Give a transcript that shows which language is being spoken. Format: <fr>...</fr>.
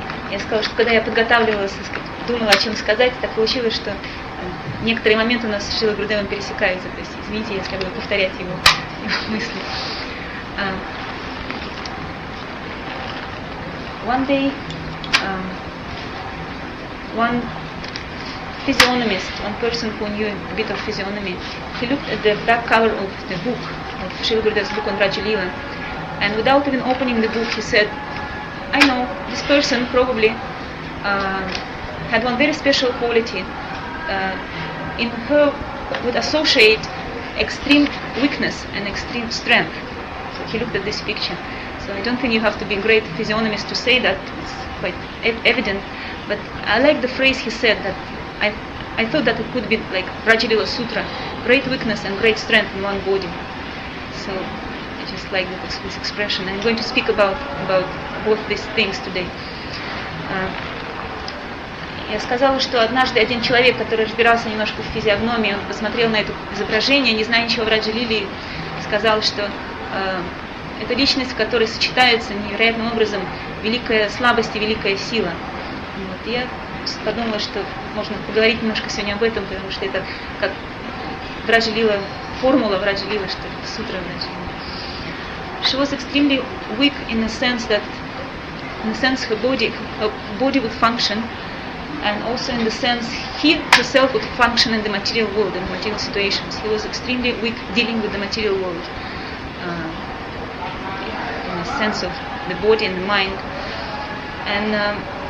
<ru>Я сказала, что когда я подготавливалась, думала, о чем сказать, так получилось, что некоторые моменты у нас с Шрила Гурудевом пересекаются. То есть, извините, если я буду повторять его мысли.</ru> <en>One day, one physiognomist, one person who knew a bit of physiognomy, he looked at the back cover of the book, of Шрила Гурудева's book on Rajalila, and without even opening the book, he said, I know, this person probably had one very special quality. In her would associate extreme weakness and extreme strength. So he looked at this picture. So I don't think you have to be a great physiognomist to say that, it's quite evident. But I like the phrase he said, that I thought that it could be like Rajalila Sutra, great weakness and great strength in one body. So I just like this expression. I'm going to speak about both these things today.</en> <ru>Я сказала, что однажды один человек, который разбирался немножко в физиогномии, он посмотрел на это изображение, не зная ничего о Раджалиле, сказал, что это личность, в которой сочетается невероятным образом великая слабость и великая сила. Вот. Я подумала, что можно поговорить немножко сегодня об этом, потому что это как Раджалила, формула Раджалила, что ли, сутра Раджалила.</ru> <en>She was extremely weak in the sense that her body would function, and also in the sense he herself would function in the material world, in the material situations. He was extremely weak dealing with the material world, in the sense of the body and the mind. And</en>